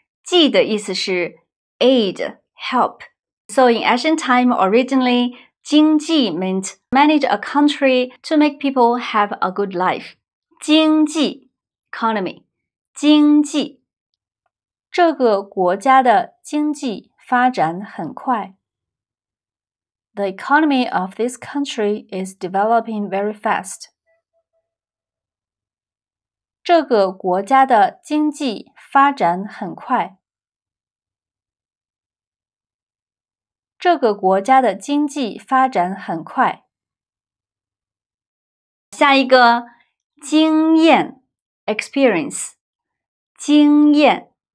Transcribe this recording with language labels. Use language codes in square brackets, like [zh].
[en] 记的意思是 aid, help. So in ancient time, originally, 经济 meant manage a country to make people have a good life. [zh] 经济 economy, 经济。这个国家的经济发展很快。 [en] The economy of this country is developing very fast. [zh] 这个国家的经济发展很快。这个国家的经济发展很快。下一个，经验 ,experience, 经验。